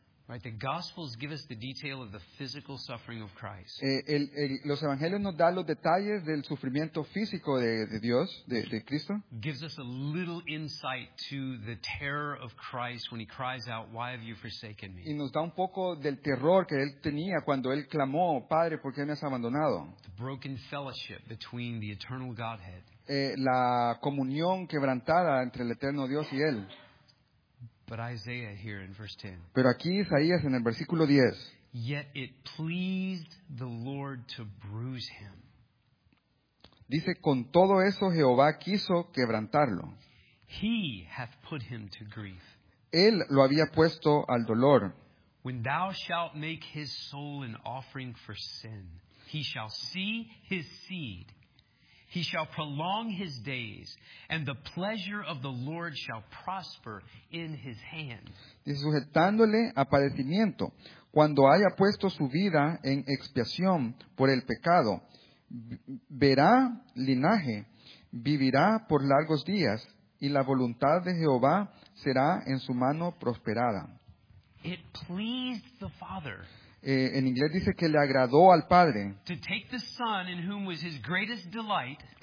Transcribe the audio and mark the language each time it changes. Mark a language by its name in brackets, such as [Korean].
[English] Right, the Gospels give us the detail of the physical suffering of Christ. [Spanish] Los Evangelios nos dan los detalles del sufrimiento físico de Dios, de Cristo. [English] Gives us a little insight to the terror of Christ when He cries out, "Why have you forsaken me?" [Spanish] Y nos da un poco del terror que Él tenía cuando Él clamó, Padre, ¿por qué me has abandonado? [English] The broken fellowship between the eternal Godhead. [Spanish] La comunión quebrantada entre el eterno Dios y Él. [English] But Isaiah here in verse 10. [Spanish] Pero aquí Isaías en el versículo 10. [English] Yet it pleased the Lord to bruise him. [Spanish] Dice, con todo eso Jehová quiso quebrantarlo. [English] He hath put him to grief. [Spanish] Él lo había puesto al dolor. [English] When thou shalt make his soul an offering for sin, he shall see his seed. He shall prolong his days, and the pleasure of the Lord shall prosper in his hands. [Spanish] Y sujetándole a padecimiento, cuando haya puesto su vida en expiación por el pecado, verá linaje, vivirá por largos días, y la voluntad de Jehová será en su mano prosperada. [English] It pleased the Father. [Spanish] En inglés dice que le agradó al Padre [English] to take the Son in whom was his greatest delight,